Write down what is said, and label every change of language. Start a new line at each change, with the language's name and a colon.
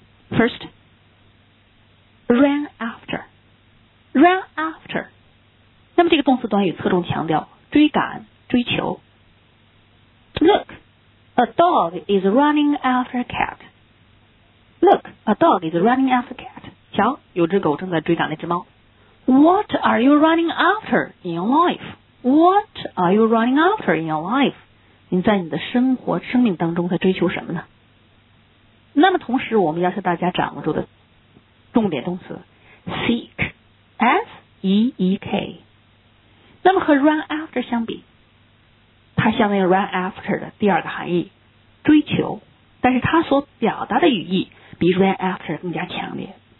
English: First, ran after. Ran after.
Chinese: 那么这个动词短语侧重强调追赶、追求。
English: Look, a dog is running after a cat. Look, a dog is running after a cat.
Chinese: 瞧，有只狗正在追赶那只猫。
English: What are you running after in your life? What are you running after in your life?
Chinese: 你在你的生活、生命当中在追求什么呢？那么同时我们要求大家掌握住的重点动词 seek, S-E-E-K。那么和 run after 相比，它相当于 run after 的第二个含义，追求，但是它所表达的语义比 run after 更加强烈。